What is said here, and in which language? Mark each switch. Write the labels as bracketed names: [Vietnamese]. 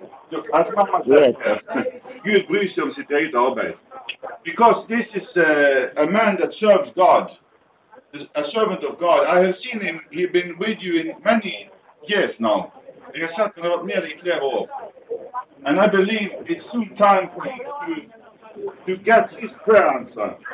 [Norwegian] God bryr seg om sitt eget arbeid. [English] Because this is a man that serves God, a servant of God. I have seen him, he's been with you in many years now. [Norwegian] Jeg har sett henne mer i flere år. [English] And I believe it's soon time for him to get his prayer answer.